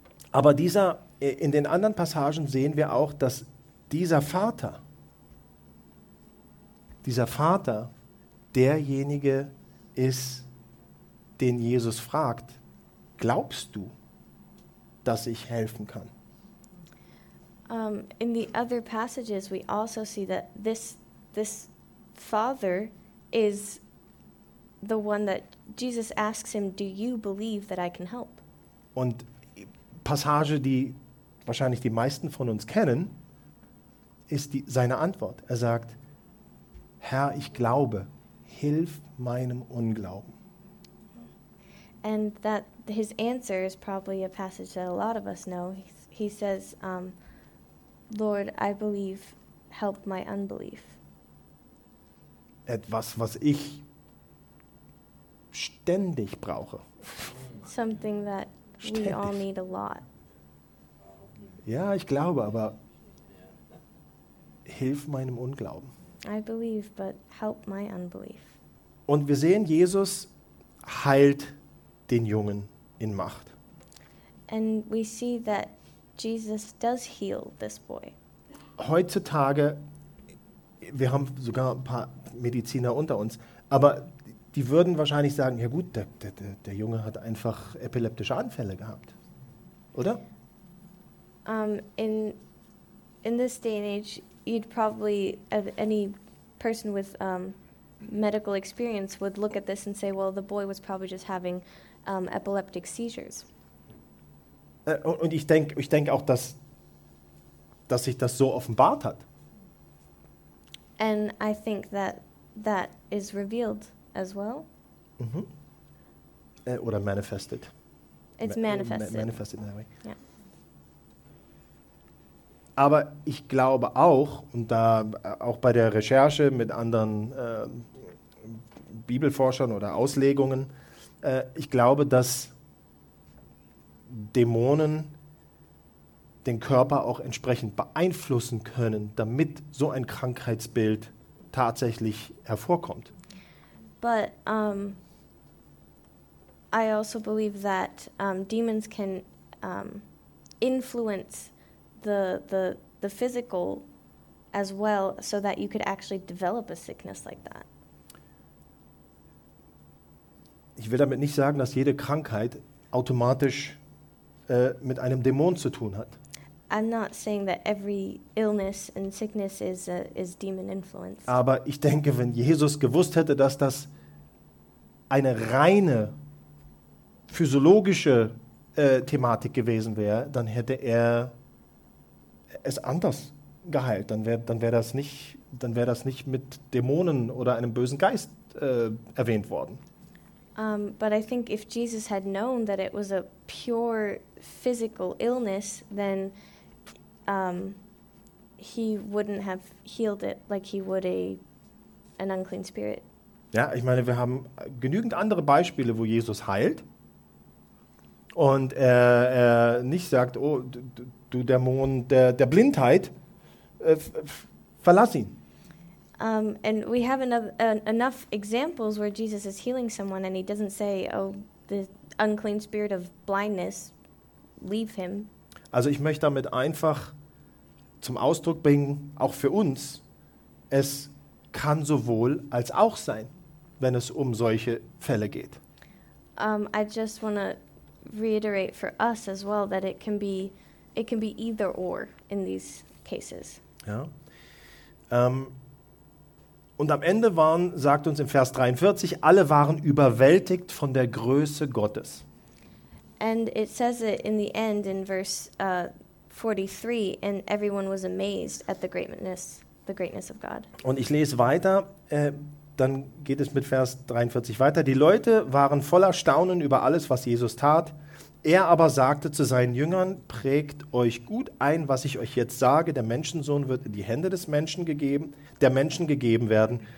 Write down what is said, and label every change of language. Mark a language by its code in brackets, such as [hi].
[de] Aber dieser, in den anderen Passagen sehen wir auch, dass dieser Vater derjenige ist, den Jesus fragt, glaubst du, dass ich helfen kann? [en] In the other passages we also see that this father is the one that Jesus asks him, do you believe that I can help? [de] Und Passage, die wahrscheinlich die meisten von uns kennen, ist seine Antwort. Er sagt, Herr, ich glaube, hilf meinem Unglauben. [en] And that his answer is probably a passage that a lot of us know. He says, Lord, I believe, help my unbelief. [de] Etwas, was ich ständig brauche. [en] Something that ständig. We all need a lot. [de] Ja, ich glaube, aber hilf meinem Unglauben. [en] I believe, but help my unbelief. [de] Und wir sehen, Jesus heilt den Jungen in Macht. [en] And we see that Jesus does heal this boy. [de] Heutzutage, wir haben sogar ein paar Mediziner unter uns, aber die würden wahrscheinlich sagen, ja gut, der Junge hat einfach epileptische Anfälle gehabt. Oder? [en] In this day and age, you'd probably, any person with medical experience would look at this and say, well, the boy was probably just having epileptic seizures. [de] Und ich denk auch, dass sich das so offenbart hat. [en] And I think that is revealed as well. [de] Mm-hmm. Oder manifested. [en] It's manifested. Manifested in that way. Yeah. [de] Aber ich glaube auch, und da auch bei der Recherche mit anderen Bibelforschern oder Auslegungen, ich glaube, dass Dämonen den Körper auch entsprechend beeinflussen können, damit so ein Krankheitsbild tatsächlich hervorkommt. [en] But I also believe that demons can influence the physical as well, so that you could actually develop a sickness like that. [de] Ich will damit nicht sagen, dass jede Krankheit automatisch mit einem Dämon zu tun hat. [en] I'm not saying that every illness and sickness is demon influenced. [de] Aber ich denke, wenn Jesus gewusst hätte, dass das eine reine physiologische Thematik gewesen wäre, dann hätte er es anders geheilt. Dann wär das nicht mit Dämonen oder einem bösen Geist erwähnt worden. [en] But I think if Jesus had known that it was a pure physical illness, then he wouldn't have healed it like he would an unclean spirit. [de] Ja, ich meine, wir haben genügend andere Beispiele, wo Jesus heilt und er nicht sagt, oh, du Dämon der Blindheit, verlass ihn. [en] And we have enough examples where Jesus is healing someone and he doesn't say, oh, the unclean spirit of blindness, leave him. [de] Also ich möchte damit einfach zum Ausdruck bringen, auch für uns, es kann sowohl als auch sein, wenn es um solche Fälle geht. [en] I just want to reiterate for us as well that it can be either or in these cases. [de] Ja. Und am Ende waren, sagt uns im Vers 43, alle waren überwältigt von der Größe Gottes. [en] And it says it in the end in verse 43, and everyone was amazed at the greatness of God. [de] Und ich lese weiter, dann geht es mit Vers 43 weiter. Die Leute waren voller Staunen über alles, was Jesus tat. Er aber sagte zu seinen Jüngern, prägt euch gut ein, was ich euch jetzt sage. Der Menschensohn wird in die Hände der Menschen gegeben werden.